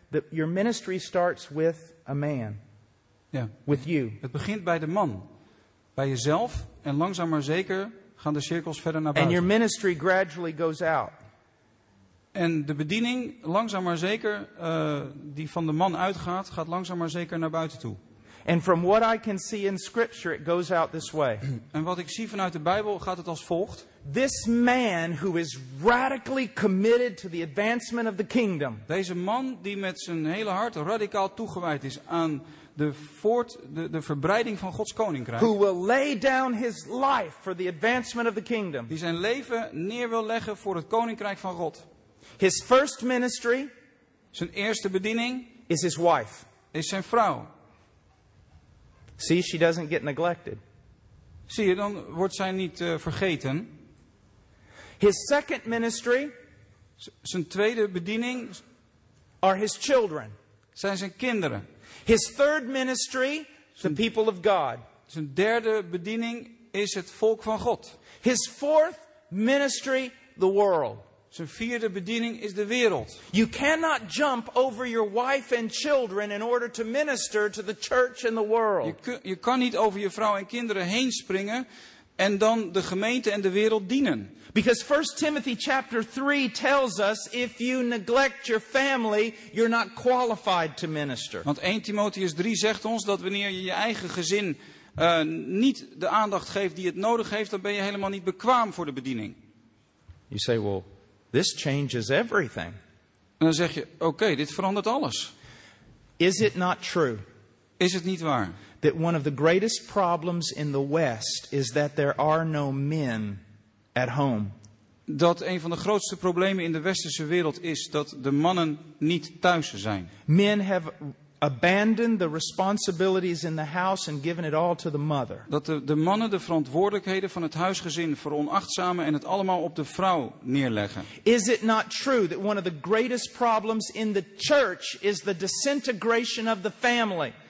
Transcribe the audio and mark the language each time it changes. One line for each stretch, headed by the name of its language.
English: Your ministry starts with a man. Ja. Yeah. With you.
Dutch: Het begint bij de man. Bij jezelf en langzaam maar zeker gaan de cirkels verder naar buiten.
English: And your ministry gradually goes out.
Dutch: En de bediening, langzaam maar zeker, die van de man uitgaat, gaat langzaam maar zeker naar buiten toe.
English: And from what I can see in scripture, it goes out this way.
Dutch: En wat ik zie vanuit de Bijbel, gaat het als volgt.
English: This man who is radically committed to the advancement of the kingdom.
Dutch: Deze man die met zijn hele hart radicaal toegewijd is aan de verbreiding van Gods koninkrijk.
English: Who will lay down his life for the advancement of the kingdom.
Dutch: Die zijn leven neer wil leggen voor het koninkrijk van God.
English: His first ministry,
Dutch: zijn eerste bediening,
English: is his wife.
Dutch: Is zijn vrouw.
English: See, she doesn't get neglected.
Dutch: Zie je, dan wordt zij niet vergeten.
English: His second ministry,
Dutch: zijn tweede bediening,
English: are his children.
Dutch: Zijn zijn kinderen.
English: His third ministry, the people of God.
Dutch: Zijn derde bediening is het volk van God.
English: His fourth ministry, the world.
Dutch: Zijn vierde bediening is de wereld.
English: You cannot jump over your wife and children in order to minister to the church and the world.
Dutch: Je kan niet over je vrouw en kinderen heen springen en dan de gemeente en de wereld dienen.
English: Because 1 Timothy chapter 3 tells us if you neglect your family, you're not qualified to minister.
Dutch: Want 1 Timotheus 3 zegt ons dat wanneer je je eigen gezin niet de aandacht geeft die het nodig heeft, dan ben je helemaal niet bekwaam voor de bediening.
English: You say, well, this changes everything.
Dutch: En dan zeg je, oké, dit verandert alles.
English: Is it not true?
Dutch: Is het niet waar?
English: That one of the greatest problems in the West is that there are no men at home.
Dutch: Dat een van de grootste problemen in de westerse wereld is dat de mannen niet thuis zijn.
English: Men have abandoned the responsibilities in the house and given it all to the mother.
Dutch: Dat de mannen de verantwoordelijkheden van het huisgezin veronachtzamen en het allemaal op de vrouw neerleggen.
English: Is it not true that one of the greatest problems in the church is the disintegration of the family?